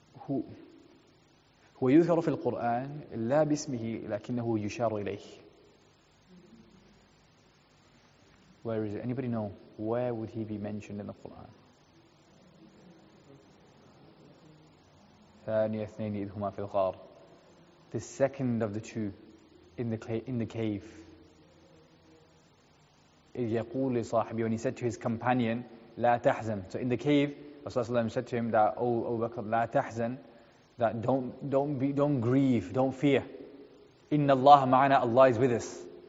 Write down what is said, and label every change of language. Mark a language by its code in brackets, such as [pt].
[ar] هو يذكر في القرآن لا باسمه لكنه يشار إليه. [en] Where is it? Anybody know? Where would he be mentioned in the Quran? [ar] ثانية اثنين إذ هما في الغار. [en] The second of the two in the cave. [ar] إذ يقول لصاحبه, [en] when he said to his companion, [ar] لا تحزن. [en] So in the cave, Rasulullah صلى الله عليه وسلم said to him that, oh, Abu Bakr, [ar] لا تحزن. [en] That don't grieve, don't fear. [ar] إن الله معنا, [en] Allah is with us.